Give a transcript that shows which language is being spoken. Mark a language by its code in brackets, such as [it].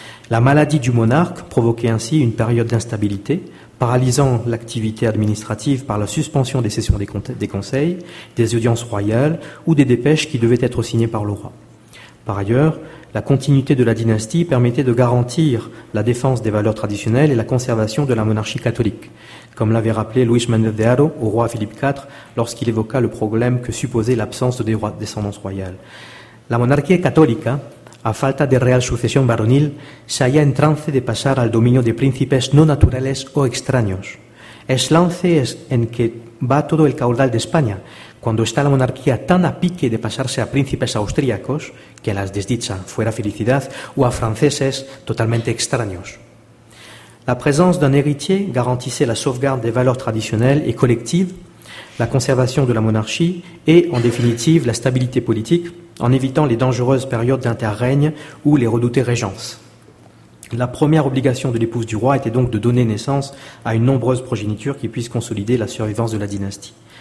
[fr] La maladie du monarque provoquait ainsi une période d'instabilité, paralysant l'activité administrative par la suspension des sessions des conseils, des audiences royales ou des dépêches qui devaient être signées par le roi. Par ailleurs, la continuité de la dynastie permettait de garantir la défense des valeurs traditionnelles et la conservation de la monarchie catholique, comme l'avait rappelé Luis Méndez de Haro au roi Philippe IV lorsqu'il évoqua le problème que supposait l'absence de descendance royale. [es] La monarchie catholique, a falta de real sucesión varonil, se halla en trance de pasar al dominio de príncipes no naturales o extraños. Es lance en que va todo el caudal de España, cuando está la monarquía tan a pique de pasarse a príncipes austríacos, que las desdicha fuera felicidad, o a franceses totalmente extraños. [fr] La présence d'un héritier garantissait la sauvegarde des valeurs traditionnelles et collectives, la conservation de la monarchie et, en définitive, la stabilité politique, en évitant les dangereuses périodes d'interrègne ou les redoutées régences. La première obligation de l'épouse du roi était donc de donner naissance à une nombreuse progéniture qui puisse consolider la survivance de la dynastie.